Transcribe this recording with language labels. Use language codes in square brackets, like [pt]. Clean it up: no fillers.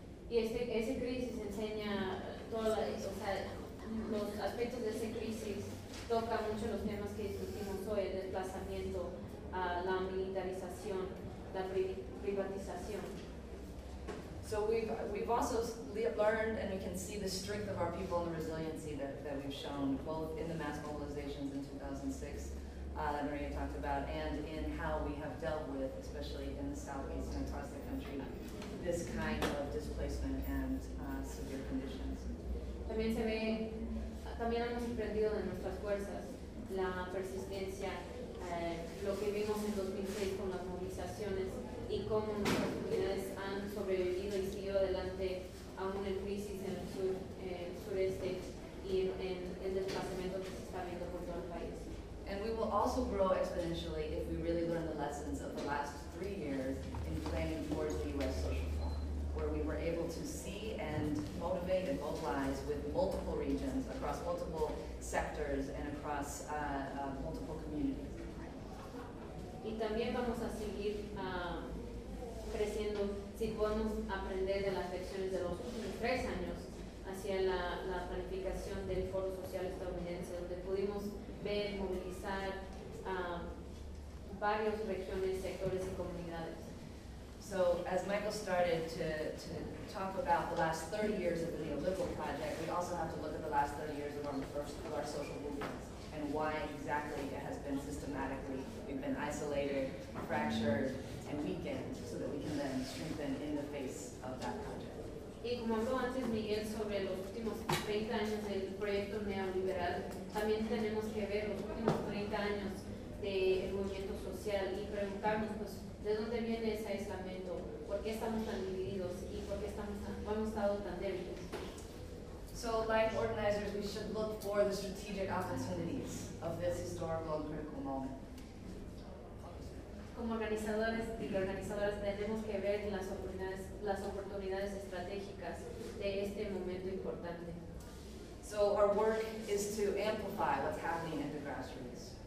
[es] Y ese crisis enseña todos, o sea, los aspectos de ese crisis toca mucho los temas que discutimos hoy, el desplazamiento, la militarización, la privatización. [en] So we've also learned and we can see the strength of our people and the resiliency that we've shown both in the mass mobilizations in 2006 that Maria talked about and in how we have dealt with, especially in the southeast and across the country, this kind of displacement and severe conditions. [es] También se ve, también hemos aprendido de nuestras fuerzas, la persistencia, lo que vimos en 2006 con las movilizaciones y cómo nuestras comunidades han sobrevivido y siguió adelante aún en crisis en el sur, sureste y en el desplazamiento que se está viendo por todo el país. [en] And we will also grow exponentially if we really learn the lessons of the last 3 years in planning towards the U.S. social forum, where we were able to see and motivate and mobilize with multiple regions, across multiple sectors, and across multiple communities. [es] Y también vamos a seguir creciendo si podemos aprender de las lecciones de los últimos 3 años hacia la planificación del foro social estadounidense, donde pudimos ver, movilizar varias regiones, sectores y comunidades. [en] So, as Michael started to talk about the last 30 years of the neoliberal project, we also have to look at the last 30 years of our social movements and why exactly it has been systematically, we've been isolated, fractured, and weakened so that we can then strengthen in the face of that project. [es] Y como habló antes Miguel sobre los últimos 30 años del proyecto neoliberal, también tenemos que ver los últimos 30 años del movimiento social y preguntarnos, pues, ¿de dónde viene ese aislamiento? ¿Por qué estamos tan divididos? ¿Y por qué hemos estado tan débiles? [en] So, like organizers, we should look for the strategic opportunities of this historical and critical moment. [es] Como organizadores y organizadoras tenemos que ver las oportunidades estratégicas de este momento importante. [en] So our work is to amplify what's happening at the grassroots.